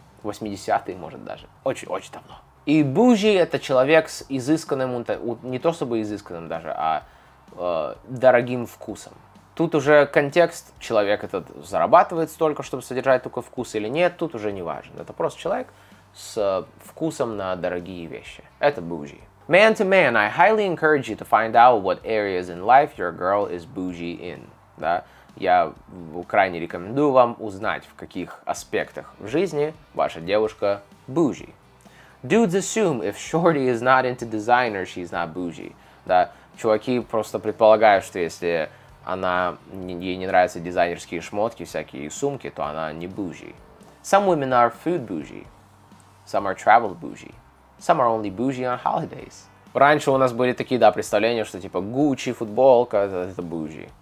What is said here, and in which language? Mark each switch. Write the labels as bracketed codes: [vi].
[ru] 80-е, может, даже. Очень-очень давно. И bougie, это человек с изысканным, не то чтобы изысканным даже, а дорогим вкусом. Тут уже контекст, человек этот зарабатывает столько, чтобы содержать такой вкус или нет, тут уже не важно. Это просто человек с вкусом на дорогие вещи. Это bougie. [en] Man to man, I highly encourage you to find out what areas in life your girl is bougie in. [ru] Да? Я крайне рекомендую вам узнать, в каких аспектах в жизни ваша девушка bougie. [en] Dudes assume if shorty is not into designer, she's not bougie. [ru] Да? Чуваки просто предполагают, что если она, ей не нравятся дизайнерские шмотки, всякие сумки, то она не bougie. [en] Some women are food bougie. Some are travel bougie. Some are only bougie on holidays. [ru] Раньше у нас были такие, да, представления, что типа Gucci, футболка, это bougie.